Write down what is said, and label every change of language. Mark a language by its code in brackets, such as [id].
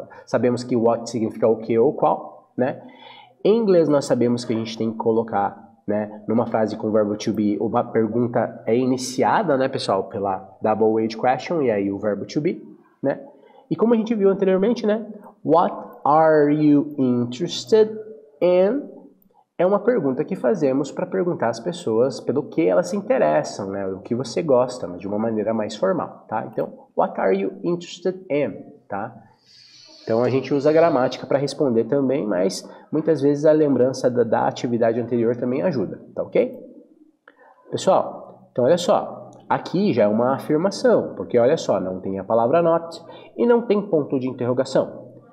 [pt] Sabemos que what significa o que ou qual, né? Em inglês, nós sabemos que a gente tem que colocar, né, numa frase com o verbo to be, uma pergunta é iniciada, né, pessoal, pela double edge question, e aí o verbo to be, né? E como a gente viu anteriormente, né, [en] what are you interested in? [pt] É uma pergunta que fazemos para perguntar às pessoas pelo que elas se interessam, né, o que você gosta, mas de uma maneira mais formal, tá? [en] Então, what are you interested in, tá? [pt] Então a gente usa a gramática para responder também, mas muitas vezes a lembrança da atividade anterior também ajuda, tá ok? Pessoal, então olha só, aqui já é uma afirmação, porque olha só, não tem a palavra not e não tem ponto de interrogação.